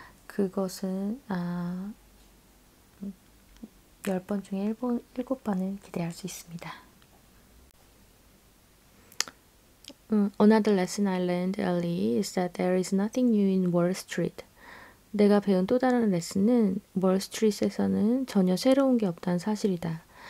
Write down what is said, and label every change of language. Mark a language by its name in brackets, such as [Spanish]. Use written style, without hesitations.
[Korean] 그것은 10번 중에 7번은 기대할 수 있습니다. [English] Another lesson I learned early is that there is nothing new in Wall Street. [Korean] 내가 배운 또 다른 레슨은 월스트리트에서는 전혀 새로운 게 없다는 사실이다.